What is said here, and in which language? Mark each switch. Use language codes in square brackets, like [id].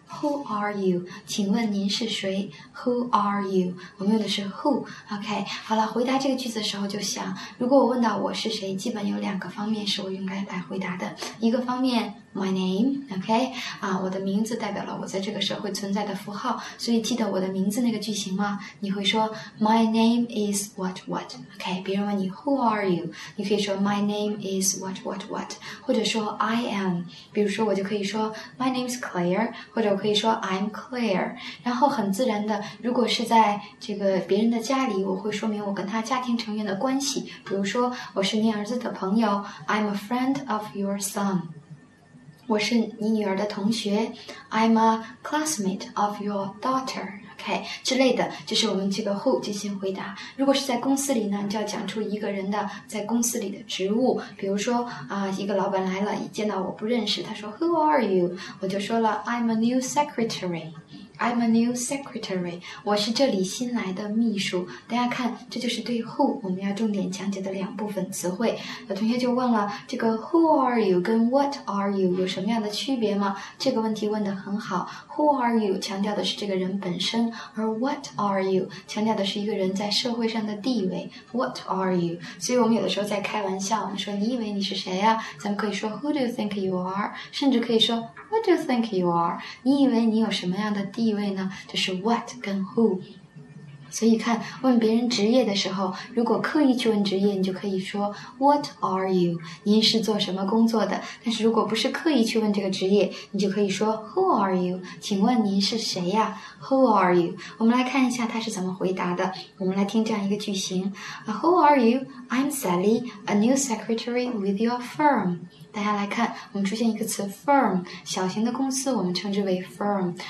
[en] Who are you? [zh] 请问您是谁？Who are you? 我们用的是 who. OK, 好了，回答这个句子的时候就想，如果我问到我是谁，基本有两个方面是我应该来回答的。一个方面 my name, OK, 啊，我的名字代表了我在这个社会存在的符号，所以记得我的名字那个句型吗？你会说 [en] my name is what what, [zh] OK, 别人问你 [en] who are you? [zh] 你可以说 [en] my name is what what what, [zh] 或者说 [en] I am, [zh] 比如说我就可以说 [en] my name is Claire, [zh] 或者我可以说 [en] I'm Claire, [zh] 然后很自然的，如果是在这个别人的家里，我会说明我跟他家庭成员的关系，比如说我是你儿子的朋友 [en] I'm a friend of your son, [zh] 我是你女儿的同学 [en] I'm a classmate of your daughter, [zh] OK, 之类的，就是我们这个 who 进行回答。如果是在公司里呢，就要讲出一个人的在公司里的职务。比如说啊，一个老板来了，一见到我不认识，他说 [en] Who are you? 我就说了 I'm a new secretary. I'm a new secretary, [zh] 我是这里新来的秘书。大家看，这就是对 who 我们要重点讲解的两部分词汇。有同学就问了，这个 [en] who are you [zh] 跟 [en] what are you [zh] 有什么样的区别吗？这个问题问得很好。 [en] who are you [zh] 强调的是这个人本身，而 what are you 强调的是一个人在社会上的地位。 [en] what are you? [zh] 所以我们有的时候在开玩笑，我们说你以为你是谁啊，咱们可以说 [en] who do you think you are, [zh] 甚至可以说 [en] What do you think you are? [zh] 你以为你有什么样的地位呢？就是 what 跟 who。所以看，问别人职业的时候，如果刻意去问职业，你就可以说 [en] What are you? [zh] 您是做什么工作的？但是如果不是刻意去问这个职业，你就可以说 [en] Who are you? [zh] 请问您是谁呀？ [en] Who are you? [zh] 我们来看一下他是怎么回答的。我们来听这样一个句型 [en] Who are you? I'm Sally, a new secretary with your firm. [zh] 大家来看，我们出现一个词 firm, 小型的公司我们称之为 firm.